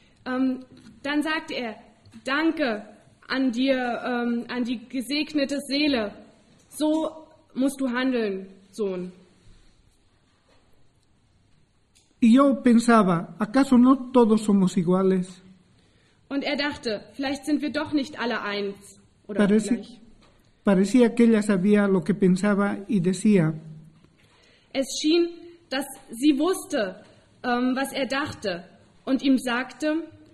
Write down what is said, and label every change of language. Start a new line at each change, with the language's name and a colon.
German: Dann sagte er, danke an dir, an die gesegnete Seele. So musst du handeln, Sohn.
Spanish: Y yo pensaba, ¿acaso no todos somos iguales?
German: Und er dachte, vielleicht sind wir doch nicht alle eins. Oder
Spanish: parecía que ella sabía lo que pensaba y decía.
German: Es schien, dass sie wusste, was er dachte und ihm sagte,